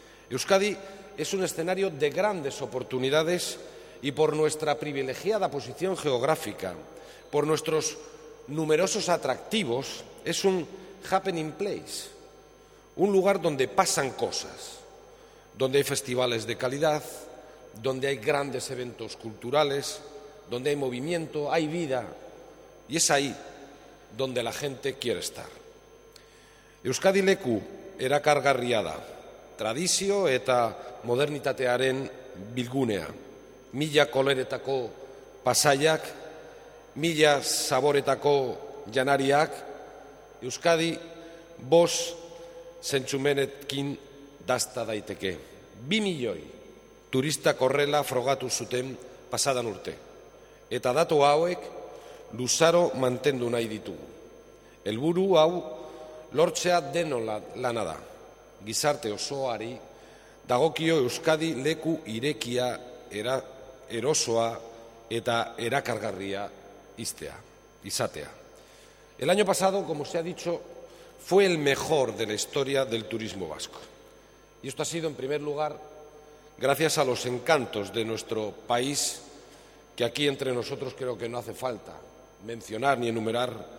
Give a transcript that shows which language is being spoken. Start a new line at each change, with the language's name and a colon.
Spanish: Euskadi es un escenario de grandes oportunidades y, por nuestra privilegiada posición geográfica, por nuestros numerosos atractivos, es un
English: happening place,
Spanish: un lugar donde pasan cosas, donde hay festivales de calidad, donde hay grandes eventos culturales, donde hay movimiento, hay vida, y es ahí donde la gente quiere estar.
Basque: Euskadi leku erakargarria da, tradizio eta modernitatearen bilgunea, mila koloretako pasaiak, mila zaboretako janariak. Euskadi bost zentzumenekin dasta daiteke. 2 milioi turista korrela frogatu zuten pasadan urte, eta datu hauek luzaro mantendu nahi ditugu. Helburu hau lortzea deno lana da. Gizarte osoari dagokio Euskadi leku irekia, erosoa eta erakargarria izatea.
Spanish: El año pasado, como se ha dicho, fue el mejor de la historia del turismo vasco. Y esto ha sido, en primer lugar, gracias a los encantos de nuestro país, que aquí entre nosotros creo que no hace falta mencionar ni enumerar.